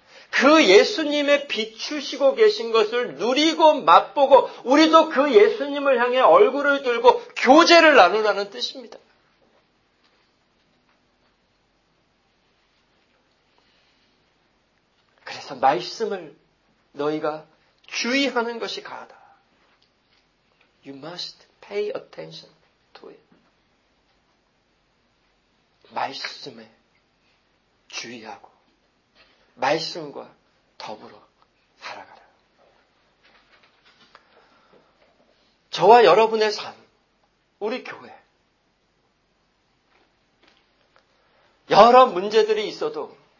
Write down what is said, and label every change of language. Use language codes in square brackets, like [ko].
[ko] 그 예수님의 비추시고 계신 것을 누리고 맛보고 우리도 그 예수님을 향해 얼굴을 들고 교제를 나누라는 뜻입니다. 그래서 말씀을 너희가 주의하는 것이 가하다. [en] You must pay attention to it. [ko] 말씀에 주의하고 말씀과 더불어 살아가라. 저와 여러분의 삶, 우리 교회 여러 문제들이 있어도